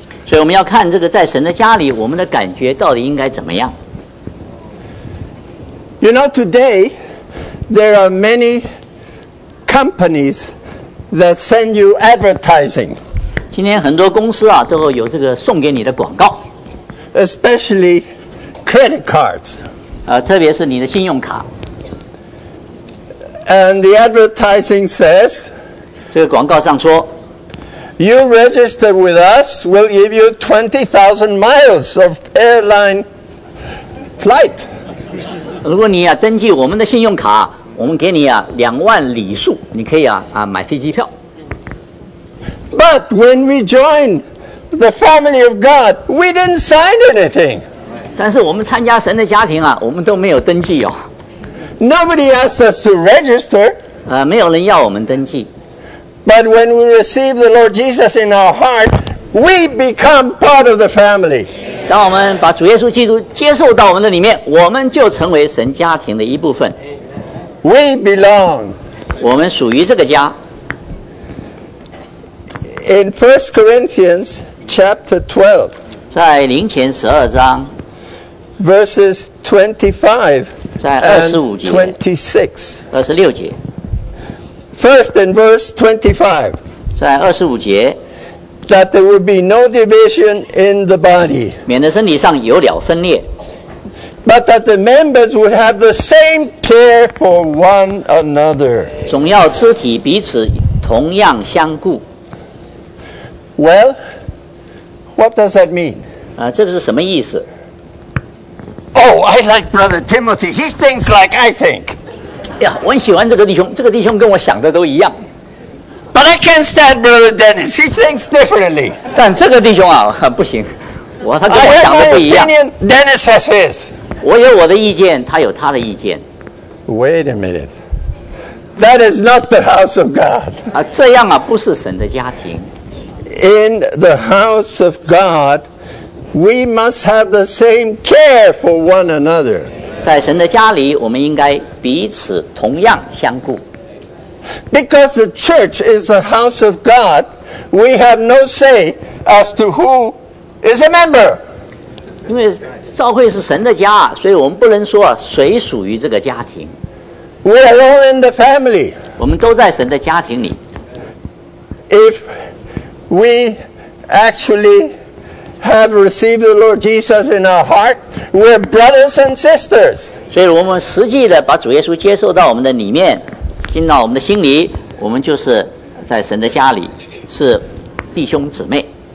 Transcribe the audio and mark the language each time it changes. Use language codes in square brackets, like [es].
[zh] 所以我们要看这个在神的家里，我们的感觉到底应该怎么样 [en] ？You know, today there are many companies that send you advertising. [zh] 今天很多公司都有这个送给你的广告 [en] ，especially credit cards. [zh] 特别是你的信用卡。 [en] And the advertising says. [zh] 这个广告上说 [en] You register with us, we'll give you 20,000 miles of airline flight. [zh] 如果你登记我们的信用卡，我们给你20,000里数，你可以买飞机票。 [en] But when we joined the family of God, we didn't sign anything. [zh] 但是我们参加神的家庭我们都没有登记哦。 [en] Nobody asked us to register. [zh] 没有人要我们登记。 [en] But when we receive the Lord Jesus in our heart, We become part of the family. [zh] 当我们把主耶稣基督接受到我们的里面，我们就成为神家庭的一部分。 [en] We belong. [zh] 我们属于这个家。 [en] In 1 Corinthians chapter 12, [zh] 在林前十二章 [en] verses 25, [zh] 在二十五节 [en] 26, [zh] 二十六节。 [en] First in verse 25, [zh] 在二十五节。 [en] That there will be no division in the body, [zh] 免得身体上有了分裂。 [en] But that the members would have the same care for one another, [zh] 总要肢体彼此同样相顾。 [en] Well, what does that mean? [zh] 这个是什么意思？ [en] Oh, I like Brother Timothy. He thinks like I think. [zh] 呀，我很喜欢这个弟兄，这个弟兄跟我想的都一样。 [en] But I can't stand Brother Dennis. He thinks differently. [zh] 但这个弟兄啊，不行，我他跟我想的不一样。 [en] I have my opinion. Dennis has his. [zh] 我有我的意见，他有他的意见。 [en] Wait a minute. That is not the house of God. [zh] 这样啊，不是神的家庭。 [en] In the house of God, we must have the same care for one another. [zh] 在神的家里，我们应该彼此同样相顾。 [en] Because the church is a house of God, we have no say as to who is a member. [zh] 因为教会是神的家，所以我们不能说谁属于这个家庭。 [en] We are all in the family. [zh] 我们都在神的家庭里。 [en] If we actually have received the Lord Jesus in our heart, we are brothers and sisters. [zh] 所以我们实际的把主耶稣接受到我们的里面。进到我们的心里，我们就是在神的家里，是弟兄姊妹。